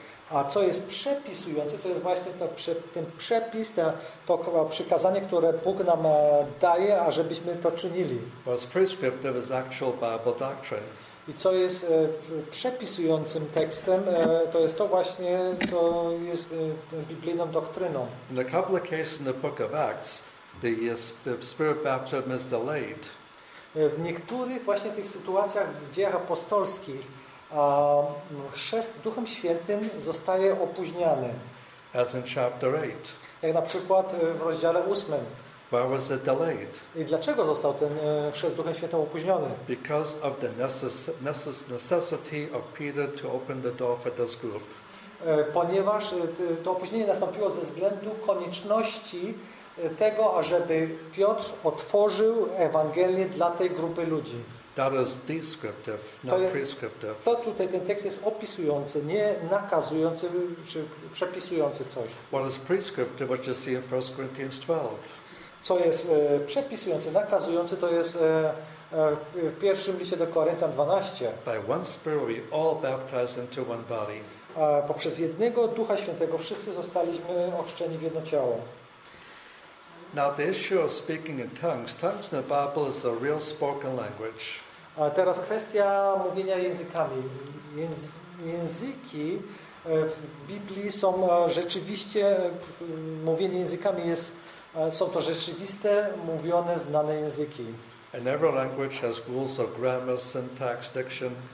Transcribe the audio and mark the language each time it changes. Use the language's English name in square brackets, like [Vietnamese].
[Polish] A co jest przepisujące, to jest właśnie ten przepis, to przykazanie, które Bóg nam daje, ażebyśmy to czynili. [English] What is prescriptive is actual Bible doctrine. [Polish] I co jest przepisującym tekstem, to jest to właśnie, co jest biblijną doktryną. [English] In a couple of cases in the book of Acts, the spirit baptism is delayed. [Polish] W niektórych właśnie tych sytuacjach w dziejach apostolskich chrzest Duchem Świętym zostaje opóźniany. [English] As in chapter 8. [Polish] Jak na przykład w rozdziale 8. [English] Why was it delayed? [Polish] I dlaczego został ten chrzest Duchem Świętym opóźniony? [English] Because of the necessity of Peter to open the door for this group. [Polish] Ponieważ to opóźnienie nastąpiło ze względu konieczności tego, ażeby Piotr otworzył Ewangelię dla tej grupy ludzi. [English] That is descriptive, not prescriptive. [Polish] To tutaj ten tekst jest opisujący, nie nakazujący czy przepisujący coś. [English] What is prescriptive, what you see in 1 Corinthians 12. [Polish] Co jest przepisujące, nakazujące, to jest w pierwszym liście do Koryntian 12. [English] By one spirit we all baptized into one body. [Polish] Poprzez jednego Ducha Świętego wszyscy zostaliśmy ochrzczeni w jedno ciało. [English] Now the issue of speaking in tongues. Tongues in the Bible is a real spoken language. [Polish] A teraz kwestia mówienia językami. Języki w Biblii są rzeczywiście, mówienie językami jest, są to rzeczywiste, mówione, znane języki. [English] And every language has rules of grammar, syntax, diction.